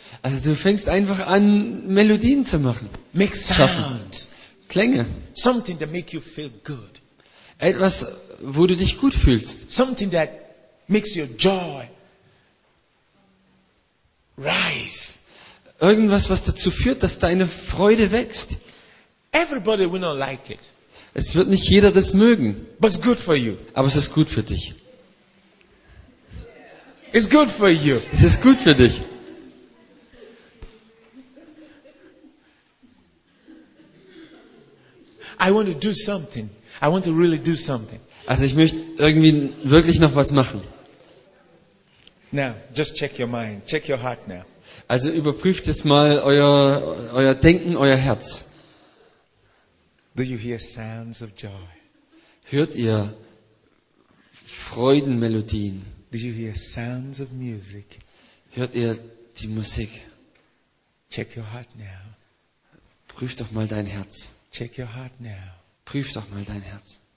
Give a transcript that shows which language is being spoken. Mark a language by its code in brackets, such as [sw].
[de] Also du fängst einfach an, Melodien zu machen. [en] Make sounds. [de] Klänge. [en] Something that make you feel good. [de] Etwas, wo du dich gut fühlst. [en] Something that makes your joy rise. [de] Irgendwas, was dazu führt, dass deine Freude wächst. [en] Everybody will not like it. [de] Es wird nicht jeder das mögen. [en] But it's good for you. [de] Aber es ist gut für dich. [en] It's good for you. [de] Es ist gut für dich. [en] I want to do something. I want to really do something. [de] Also ich möchte irgendwie wirklich noch was machen. [en] Now, just check your mind. Check your heart now. [de] Also überprüft jetzt mal euer Denken, euer Herz. [en] Do you hear sounds of joy? [de] Hört ihr Freudenmelodien? [en] Do you hear sounds of music? [de] Hört ihr die Musik? [en] Check your heart now. [de] Prüft doch mal dein Herz. [en] Check your heart now. [de] Prüft doch mal dein Herz.